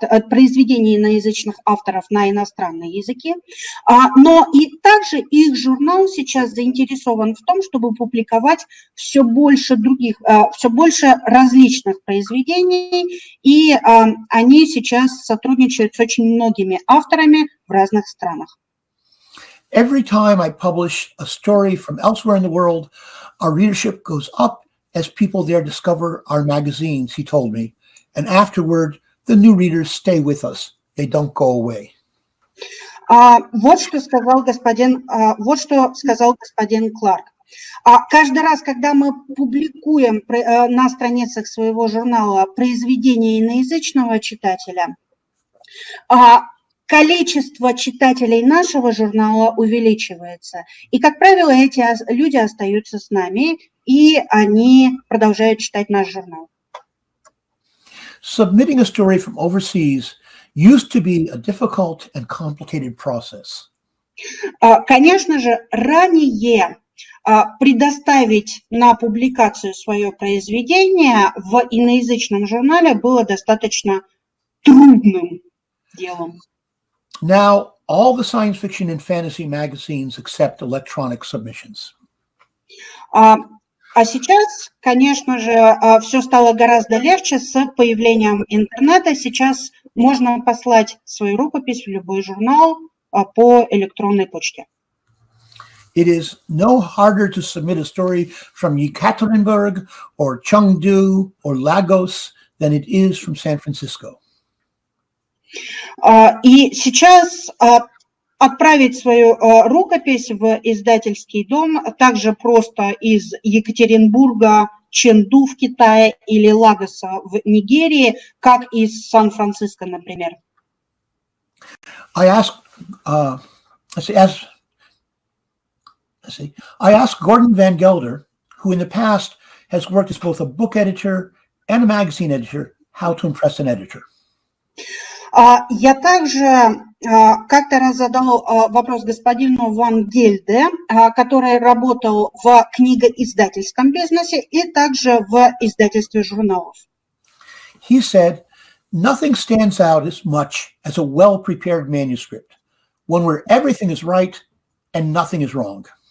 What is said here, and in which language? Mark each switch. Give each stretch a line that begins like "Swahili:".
Russian: произведений иноязычных авторов на иностранные языки, но и также их журнал сейчас заинтересован в том, чтобы публиковать все больше других, все больше различных произведений, и они сейчас сотрудничают с очень многими авторами в разных странах.
English: Every time I publish a story from elsewhere in the world, our readership goes up as people there discover our magazines, he told me. And afterward, the new readers stay with us. They don't go away.
Russian: Вот что сказал господин Кларк. Каждый раз, когда мы публикуем на страницах своего журнала произведение иноязычного читателя, количество читателей нашего журнала увеличивается. И, как правило, эти люди остаются с нами, и они продолжают читать наш журнал.
English: Submitting a story from overseas used to be a difficult and complicated process.
Russian: Конечно же, ранее предоставить на публикацию свое произведение в иноязычном журнале было достаточно трудным делом.
English: Now all the science fiction and fantasy magazines accept electronic submissions.
Russian: А сейчас, конечно же, все стало гораздо легче с появлением интернета. Сейчас можно послать свою рукопись в любой журнал по электронной почте.
English: It is no harder to submit a story from Yekaterinburg or Chengdu or Lagos than it is from San Francisco.
Russian: И сейчас отправить свою рукопись в издательский дом также просто из Екатеринбурга, Ченду в Китае или Лагоса в Нигерии, как из Сан-Франциско, например.
English: I ask Gordon Van Gelder, who in the past has worked as both a book editor and a magazine editor, how to impress an editor.
Russian: Я также как-то раз задал вопрос господину Ван Гельде, который работал в книгоиздательском бизнесе и также в издательстве журналов.
English: He said, "Nothing stands out as much as a well-prepared manuscript, one where everything is right and nothing is wrong."